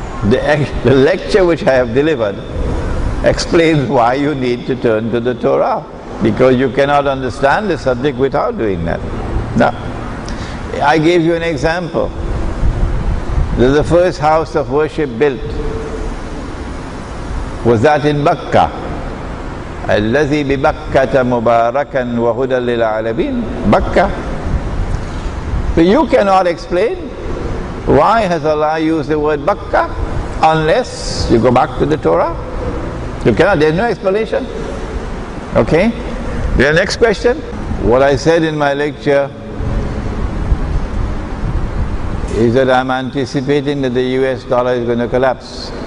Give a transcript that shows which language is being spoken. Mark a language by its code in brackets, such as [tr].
[en] The lecture which I have delivered explains why you need to turn to the Torah, because you cannot understand the subject without doing that. Now, I gave you an example. The first house of worship built was that in Makkah. [ar] الَّذِي بِبَكَّةَ مُبَارَكًا وَهُدًى لِلْعَالَمِينَ Makkah. [en] But you cannot explain why has Allah used the word Makkah unless you go back to the Torah. You cannot, there's no explanation. Okay? The next question. What I said in my lecture is that I'm anticipating that the US dollar is going to collapse.